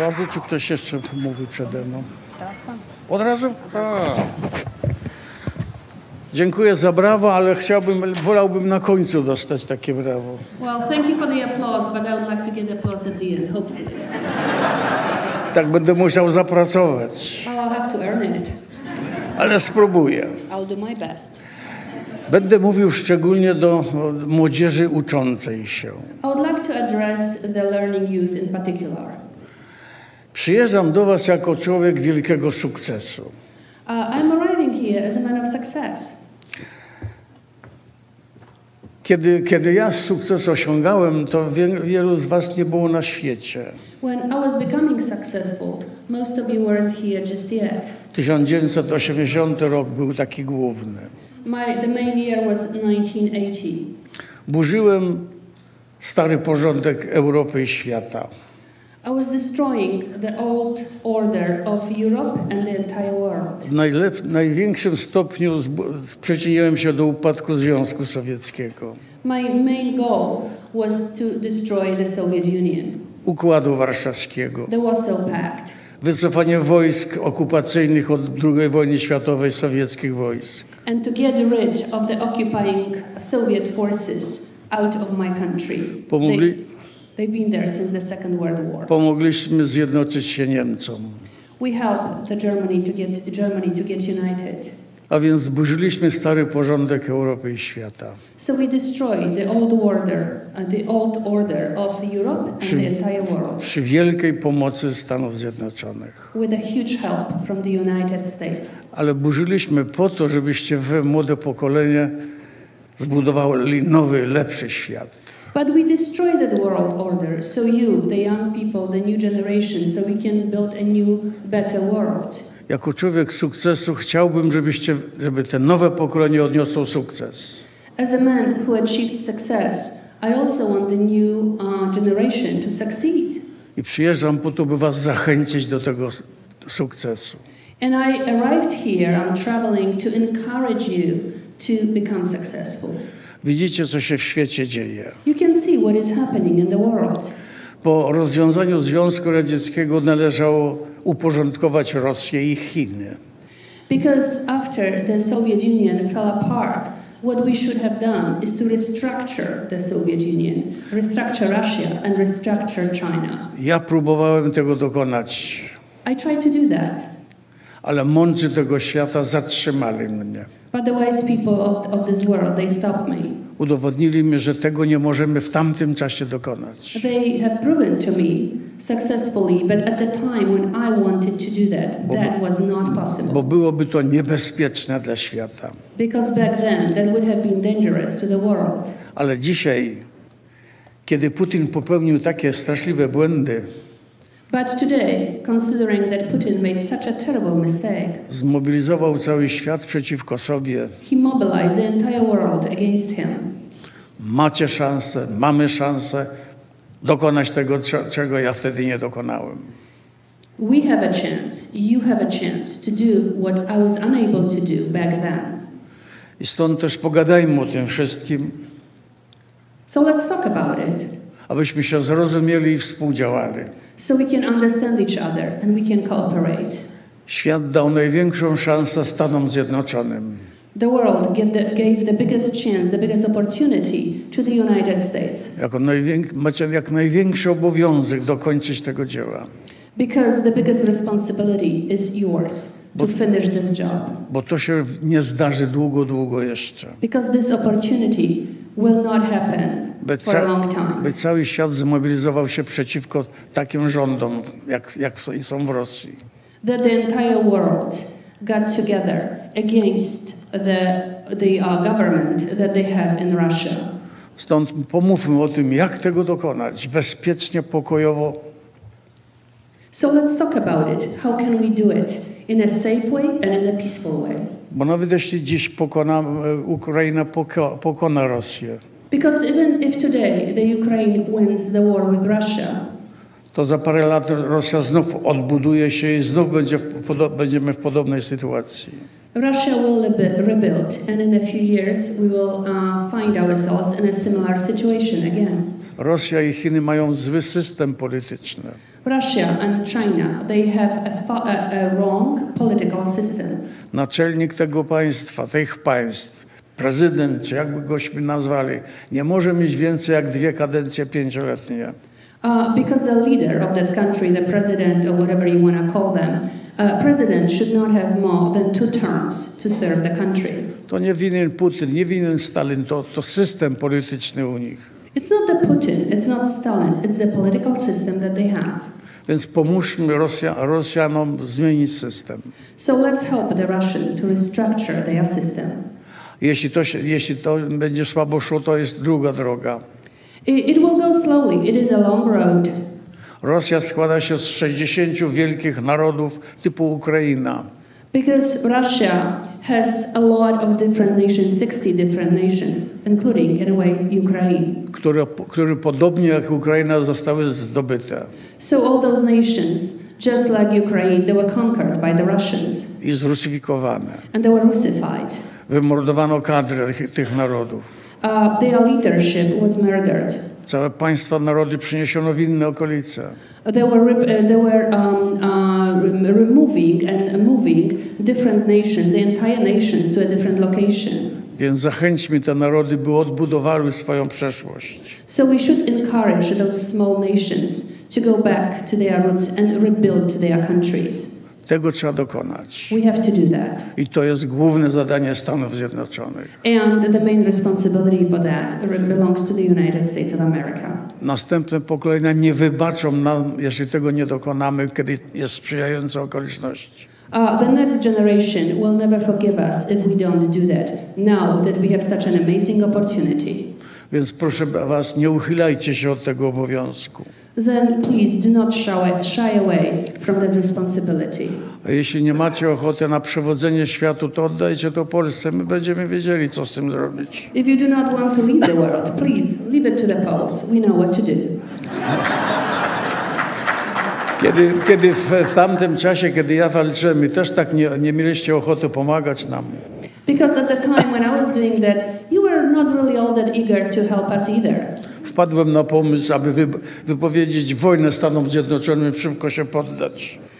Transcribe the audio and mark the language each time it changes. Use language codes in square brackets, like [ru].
[pl] Czy ktoś jeszcze mówi przede mną? Teraz pan. Od razu? A. Dziękuję za brawo, ale wolałbym na końcu dostać takie brawo. [en] Well, thank you for the applause, but I would like to get applause at the end, hopefully. [pl] Tak będę musiał zapracować. [en] Well, I'll have to earn it. [pl] Ale spróbuję. [en] I'll do my best. [pl] Będę mówił szczególnie do młodzieży uczącej się. [en] I would like to address the learning youth in particular. [pl] Przyjeżdżam do was jako człowiek wielkiego sukcesu. [en] I'm arriving here as a man of success. [pl] Kiedy ja sukces osiągałem, to wielu z was nie było na świecie. [en] When I was becoming successful, most of you weren't here just yet. [pl] 1980 rok był taki główny. [en] The main year was 1980. [pl] Burzyłem stary porządek Europy i świata. [en] I was destroying the old order of Europe and the entire world. [pl] Największym stopniu sprzeciwiałem się do upadku Związku Sowieckiego. [en] My main goal was to destroy the Soviet Union. [pl] Układu Warszawskiego. [en] The Warsaw Pact. [pl] Wycofanie wojsk okupacyjnych od II wojny światowej sowieckich wojsk. [en] And to get rid of the occupying Soviet forces out of my country. They've been there since the Second World War. [pl] Pomogliśmy zjednoczyć się Niemcom. [en] We helped Germany to get united. [pl] A więc zburzyliśmy stary porządek Europy i świata. [en] So we destroyed the old order of Europe and the entire world. [pl] Przy wielkiej pomocy Stanów Zjednoczonych. [en] With a huge help from the United States. [pl] Ale burzyliśmy po to, żebyście wy, młode pokolenie, zbudowali nowy, lepszy świat. [en] But we destroyed that world order, so you, the young people, the new generation, so we can build a new, better world. [pl] Jako człowiek sukcesu chciałbym, żeby te nowe pokolenie odniosło sukces. [en] As a man who achieved success, I also want the new generation to succeed. [pl] I przyjeżdżam po to, by was zachęcić do tego sukcesu. [en] And I arrived here, I'm traveling to encourage you to become successful. [pl] Widzicie, co się w świecie dzieje. [en] You can see what is happening in the world. [pl] Po rozwiązaniu Związku Radzieckiego należało uporządkować Rosję i Chiny. [en] Because after the Soviet Union fell apart, what we should have done is to restructure the Soviet Union, restructure Russia and restructure China. [pl] Ja próbowałem tego dokonać. [en] I tried to do that. [pl] Ale mądrzy tego świata zatrzymali mnie. [en] But the wise people of this world, they stopped me. [pl] Udowodnili mi, że tego nie możemy w tamtym czasie dokonać. [en] They have proven to me successfully, but at the time when I wanted to do that, that was not possible. [pl] Bo byłoby to niebezpieczne dla świata. [en] Because back then, that would have been dangerous to the world. [pl] Ale dzisiaj, kiedy Putin popełnił takie straszliwe błędy, [en] but today, considering that Putin made such a terrible mistake, [pl] zmobilizował cały świat przeciwko sobie, [en] he mobilized the entire world against him. [pl] Macie szansę, mamy szansę dokonać tego, czego ja wtedy nie dokonałem. [en] We have a chance, you have a chance to do what I was unable to do back then. [pl] I stąd też pogadajmy o tym wszystkim. [en] So let's talk about it. [pl] Abyśmy się zrozumieli i współdziałali. [en] So we can understand each other and we can cooperate. [pl] Świat dał największą szansę Stanom Zjednoczonym. [en] The world gave the biggest chance, the biggest opportunity to the United States. [pl] Jak największy obowiązek dokończyć tego dzieła. [en] Because the biggest responsibility is yours to finish this job. [pl] Bo to się nie zdarzy długo, długo jeszcze. [en] Because this opportunity will not happen. By [pl] cały świat zmobilizował się przeciwko takim rządom, jak są w Rosji. [en] That the entire world got together against the government that they have in Russia. [pl] Stąd pomówmy o tym, jak tego dokonać, bezpiecznie, pokojowo. [en] So let's talk about it. How can we do it in a safe way and in a peaceful way? [pl] Bo nawet jeśli dziś Ukraina pokona Rosję, [en] because even if today the Ukraine wins the war with Russia, [pl] to za parę lat Rosja znów odbuduje się i znów będziemy w podobnej sytuacji. [en] Russia will rebuild and in a few years we will find ourselves in a similar situation again. [pl] Rosja i Chiny mają zły system polityczny. [en] Russia and China, they have a wrong political system. [pl] Naczelnik tego państwa, tych państw, prezydent, czy jakby gośmy nazwali, nie może mieć więcej jak dwie kadencje pięcioletnie. [en] Because the leader of that country, the president or whatever you want to call them, president should not have more than two terms to serve the country. [pl] To nie winien Putin, nie winien Stalin, to system polityczny u nich. [en] It's not the Putin, it's not Stalin, it's the political system that they have. [pl] Więc pomóżmy Rosjanom zmienić system. [en] So let's help the Russian to restructure their system. [pl] Jeśli to będzie słabo szło, to jest druga droga. [en] It will go slowly. It is a long road. [pl] Rosja składa się z 60 wielkich narodów typu Ukraina. [en] Because Russia has a lot of different nations, 60 different nations, including in a way Ukraine. [pl] Które podobnie jak Ukraina zostały zdobyte. [en] So all those nations, just like Ukraine, they were conquered by the Russians. [pl] I zrusyfikowane. [en] And they were russified. [pl] Wymordowano kadry tych narodów. [en] Their leadership was murdered. [pl] Całe państwa, narody przeniesiono w inne okolice. [en] They were removing and moving different nations, the entire nations to a different location. [pl] Więc zachęćmy te narody, by odbudowały swoją przeszłość. [en] So we should encourage those small nations to go back to their roots and rebuild their countries. [pl] Tego trzeba dokonać. [en] We have to do that. [pl] I to jest główne zadanie Stanów Zjednoczonych. [en] And the main responsibility for that belongs to the United States of America. [pl] Następne pokolenia nie wybaczą nam, jeśli tego nie dokonamy, kiedy jest sprzyjające okoliczności. [en] The next generation will never forgive us if we don't do that, now that we have such an amazing opportunity. [pl] Więc proszę was, nie uchylajcie się od tego obowiązku. [en] Then please do not shy away from that responsibility. [pl] A jeśli nie macie ochoty na przewodzenie światu, to oddajcie to Polsce. My będziemy wiedzieli, co z tym zrobić. [en] If you do not want to leave the world, please leave it to the Poles. We know what to do. [pl] Kiedy w tamtym czasie, kiedy ja walczyłem, my też tak nie mieliście ochoty pomagać nam. [en] Because at the time when I was doing that, you were not really all that eager to help us either. [pl] Wpadłem na pomysł, aby wypowiedzieć wojnę Stanom Zjednoczonym i szybko się poddać.